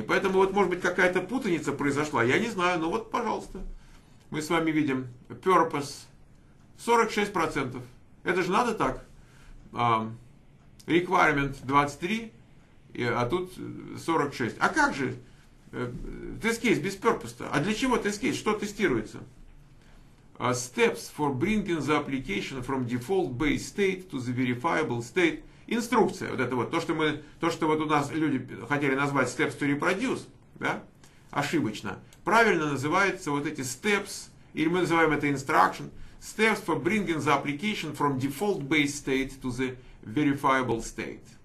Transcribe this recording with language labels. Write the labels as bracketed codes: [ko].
[ru] Поэтому вот, может быть, какая-то путаница произошла. Я не знаю, но вот, пожалуйста. Мы с вами видим. Purpose 46%. Это же надо так. Requirement 23%, а тут 46%. А как же тест-кейс без purpose-то? А для чего тест-кейс? Что тестируется? [en] Steps for bringing the application from default-based state to the verifiable state. [ru] Инструкция, вот это вот, то, что вот у нас люди хотели назвать [en] steps to reproduce, [ru] да, ошибочно, правильно называется вот эти steps, или мы называем это instruction, [en] steps for bringing the application from default-based state to the verifiable state.